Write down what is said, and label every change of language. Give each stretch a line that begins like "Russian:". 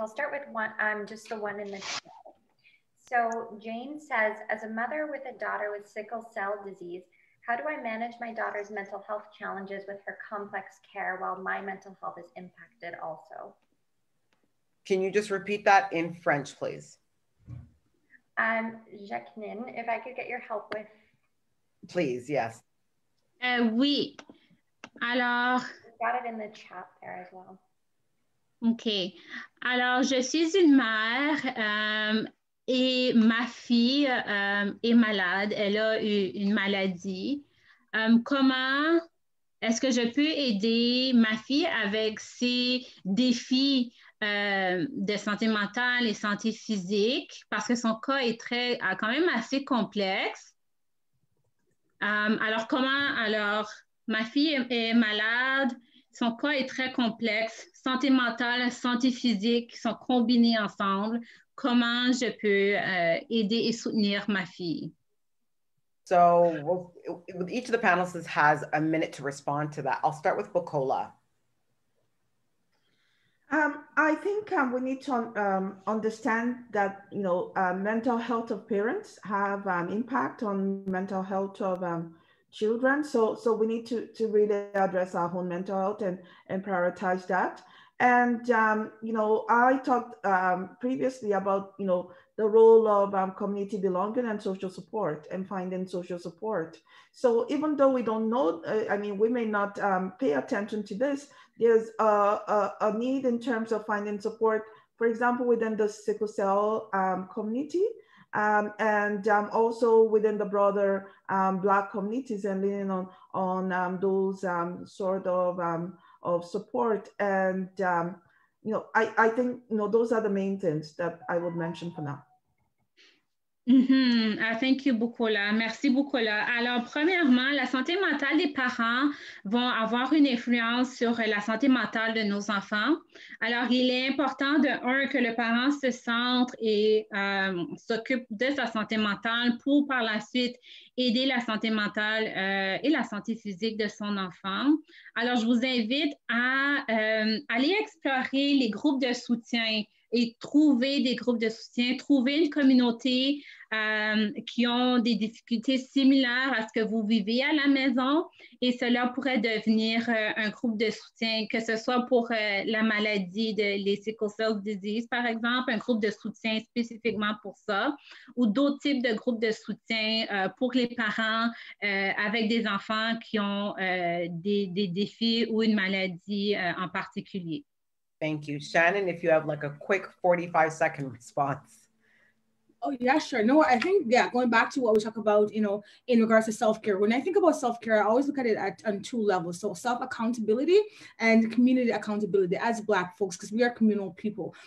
English: I'll start with one, just the one in the chat. So Jane says, as a mother with a daughter with sickle cell disease, how do I manage my daughter's mental health challenges with her complex care while my mental health is impacted also? Can you just repeat that in French, please? Jacqueline, if I could get your help with. Please, yes.
French: Oui. Alors.
English: I've got it in the chat there as well. OK.
French: Alors, je suis une mère et ma fille est malade. Elle a eu une maladie. Comment est-ce que je peux aider ma fille avec ses défis de santé mentale et santé physique? Parce que son cas est très, quand même assez complexe. Alors, comment, alors, ma fille est malade, son cas est très complexe, santé mentale, santé physique sont combinés ensemble. Comment je peux aider et soutenir ma fille?
English: So, well, each of the panelists has a minute to respond to that. I'll start with Bukola. I think we need to understand that, you know, mental health of parents have an impact on mental health of children. So we need to really address our own mental health and prioritize that. And, you know, I talked previously about, you know, the role of community belonging and social support and finding social support. So even though we don't know, I mean, we may not pay attention to this, there's a need in terms of finding support, for example, within the sickle cell community and also within the broader Black communities and leaning on those sort of support. And, you know, I think, you know, those are the main things that I would mention for now. Mm-hmm. Ah, thank you, Bukola.
French: Merci,
English: Bukola.
French: Alors, premièrement, la santé mentale des parents vont avoir une influence sur la santé mentale de nos enfants. Alors, il est important, de un, que le parent se centre et s'occupe de sa santé mentale pour, par la suite, aider la santé mentale et la santé physique de son enfant. Alors, je vous invite à aller explorer les groupes de soutien et trouver des groupes de soutien, trouver une communauté qui ont des difficultés similaires à ce que vous vivez à la maison, et cela pourrait devenir un groupe de soutien, que ce soit pour la maladie de les sickle cell disease, par exemple, un groupe de soutien spécifiquement pour ça, ou d'autres types de groupes de soutien pour les parents avec des enfants qui ont des défis ou une maladie en particulier.
English: Thank you. Shannon, if you have like a quick 45 second response. Oh, yeah, sure. No, I think, yeah, going back to what we talk about, you know, in regards to self-care, when I think about self-care, I always look at it on two levels. So self-accountability and community accountability as Black folks, because we are communal people.